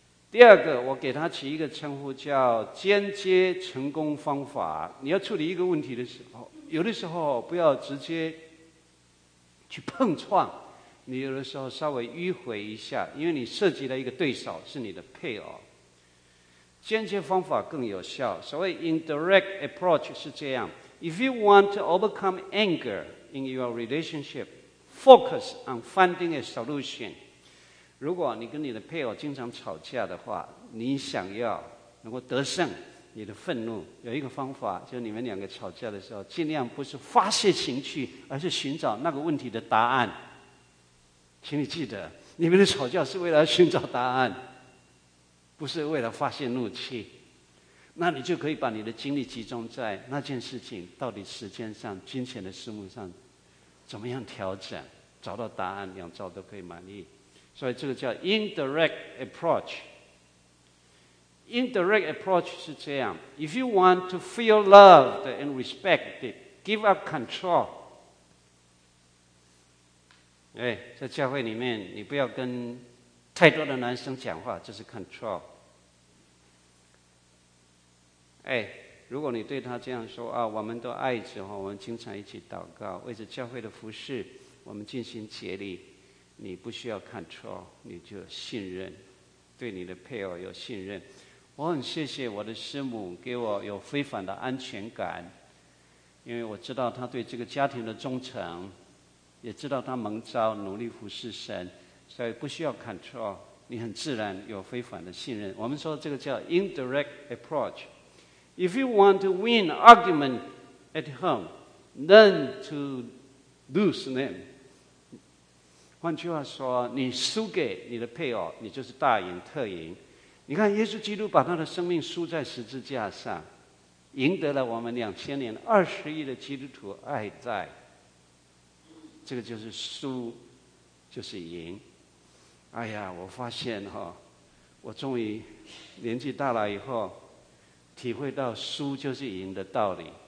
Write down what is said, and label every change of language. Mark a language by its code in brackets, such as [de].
[zh] 第二个，我给他起一个称呼叫间接成功方法。你要处理一个问题的时候，有的时候不要直接去碰撞，你有的时候稍微迂回一下，因为你涉及了一个对手，是你的配偶。间接方法更有效，所谓 [en] indirect approach [zh] 是这样， [en] If you want to overcome anger in your relationship, focus on finding a solution。 [zh] 如果你跟你的配偶经常吵架的话，你想要能够得胜你的愤怒，有一个方法，就是你们两个吵架的时候，尽量不是发泄情绪，而是寻找那个问题的答案。请你记得，你们的吵架是为了寻找答案，不是为了发泄怒气。那你就可以把你的精力集中在那件事情到底时间上、金钱的数目上怎么样调整，找到答案，两招都可以满意。所以这个叫 indirect approach。 [en] indirect approach [zh] 是这样， [en] If you want to feel loved and respected, give up control。 [zh] 哎，在教会里面，你不要跟太多的男生讲话，这是 control。哎，如果你对他这样说啊，我们都爱着，我们经常一起祷告，为着教会的服事，我们尽心竭力。你不需要 control， 你就信任，对你的配偶有信任。我很谢谢我的师母给我有非凡的安全感，因为我知道他对这个家庭的忠诚，也知道他蒙召努力服侍神，所以不需要 control， 你很自然有非凡的信任。我们说这个叫 indirect approach。 [en] If you want to win argument at home, learn to lose them。 [zh] 换句话说，你输给你的配偶，你就是大赢特赢。你看耶稣基督把他的生命输在十字架上，赢得了我们2000年20亿的基督徒爱戴。这个就是输就是赢。哎呀，我发现哈，我终于年纪大了以后体会到输就是赢的道理。